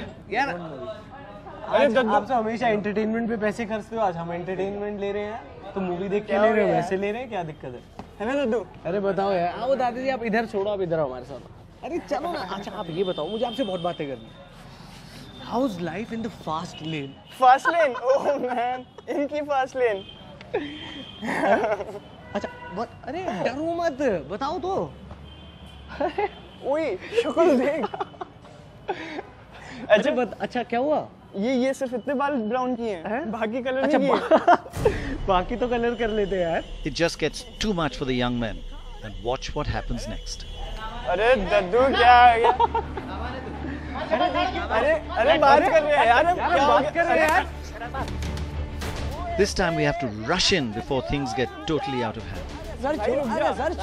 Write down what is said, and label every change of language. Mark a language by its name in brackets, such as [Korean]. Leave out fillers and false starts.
[Hindi] यार। अरे दद्दू से हमेशा एंटरटेनमेंट पे पैसे खर्चते हो, आज हम एंटरटेनमेंट ले रहे हैं तो मूवी देख के ले रहे हो, वैसे ले रहे हैं, क्या दिक्कत है? हेलो दद्दू। अरे बताओ यार, आओ दादी जी, आप इधर छोड़ो, आप इधर हमारे साथ। अरे चलो ना। अच्छा आप ये बताओ, मुझे आपसे बहुत बातें करनी। [English] How's life in the fast lane? Fast lane? Oh man, [Hindi] इनकी [English] fast lane. [Hindi] अच्छा बट अरे डरो मत, बताओ तो। ओए शुक्र देख। अच्छा बट अच्छा क्या हुआ? ये सिर्फ इतने बाल ब्राउन किए हैं, बाकी कलर नहीं किए। बाकी तो कलर कर लेते हैं यार। [English] It just gets too much for the young men. And watch what happens next. [Hindi] अरे दद्दू क्या है? अरे बात कर रहे हैं यार, क्या बात कर रहे हैं यार। [English] This time we have to rush in before things get totally out of hand.